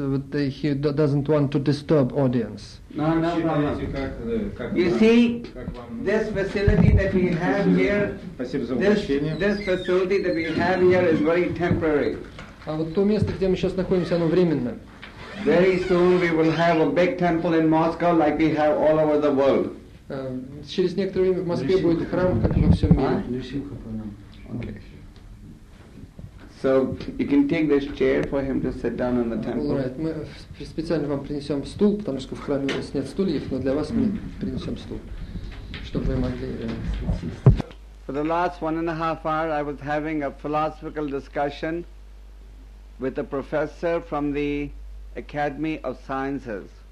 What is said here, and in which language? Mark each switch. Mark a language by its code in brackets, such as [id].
[en] but he doesn't want to disturb audience. No, no problem. You see, this facility that we have here, this facility that we have here is very temporary. [ru] А вот то место, где мы сейчас находимся, оно временно. [en] Very soon we will have a big temple in Moscow, like we have all over the world. [ru] Через некоторое время в Москве будет храм, как во всем мире. [en] Okay. So you can take this chair for him to sit down in the temple. All right. [ru] Мы специально вам принесем стул, потому что в храме у нас нет стульев, но для вас мы принесем стул, чтобы вы могли. [en] For the last 1.5 hours, I was having a philosophical discussion with a professor from the Academy of Sciences.